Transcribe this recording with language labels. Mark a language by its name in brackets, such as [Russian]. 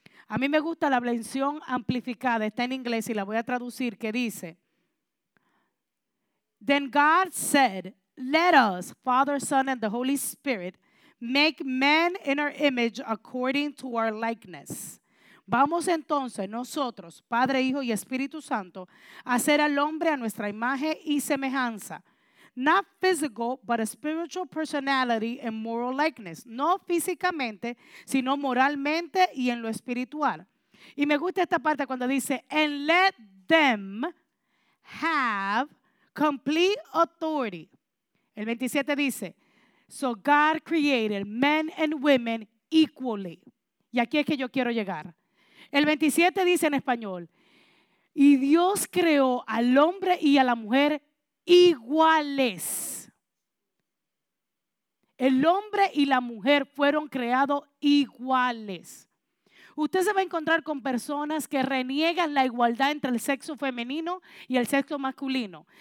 [Spanish] A mí me gusta la versión amplificada, está en inglés y la voy a traducir, que dice, [English] then God said, let us, Father, Son, and the Holy Spirit, make man in our image according to our likeness. [Spanish] Vamos entonces nosotros, Padre, Hijo y Espíritu Santo, a hacer al hombre a nuestra imagen y semejanza. [English] Not physical, but a spiritual personality and moral likeness. [Spanish] No físicamente, sino moralmente y en lo espiritual. Y me gusta esta parte cuando dice, [English] and let them have complete authority. [Spanish] El 27 dice, [English] so God created men and women equally. [Spanish] Y aquí es que yo quiero llegar. El 27 dice en español, y Dios creó al hombre y a la mujer iguales. El hombre y la mujer fueron creados iguales. Usted se va a encontrar con personas que reniegan la igualdad entre el sexo femenino y el sexo masculino.